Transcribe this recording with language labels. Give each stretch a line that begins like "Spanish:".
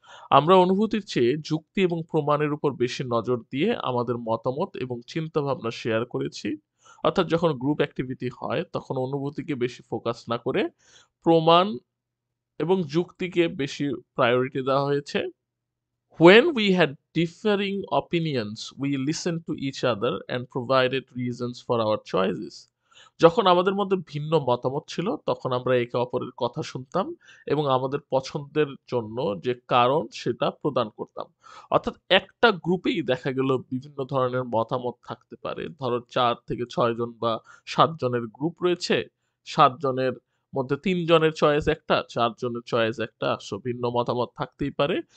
Bangla: আমরা অনুভূতির চেয়ে যুক্তি এবং প্রমাণের উপর বেশি নজর দিয়ে আমাদের মতামত এবং চিন্তাভাবনা শেয়ার করেছি। অর্থাৎ যখন গ্রুপ অ্যাক্টিভিটি হয় তখন অনুভূতিকে বেশি ফোকাস না করে প্রমাণ এবং যুক্তিকে বেশি প্রায়োরিটি দেওয়া হয়েছে।
English: When we had differing opinions, we listened to each other and provided reasons for our choices.
Bangla: যখন আমাদের মধ্যে ভিন্ন মতামত ছিল তখন আমরা একে অপরের কথা শুনতাম এবং আমাদের পছন্দের জন্য যে কারণ সেটা প্রদান করতাম। অর্থাৎ একটা গ্রুপেই দেখা গেল বিভিন্ন ধরনের মতামত থাকতে পারে। ধরো 4 থেকে 6 জন বা 7 জনের গ্রুপ রয়েছে, 7 জনের মধ্যে 3 জনের চয়েস একটা, 4 জনের চয়েস একটা, সো ভিন্ন মতামত থাকতেই পারে।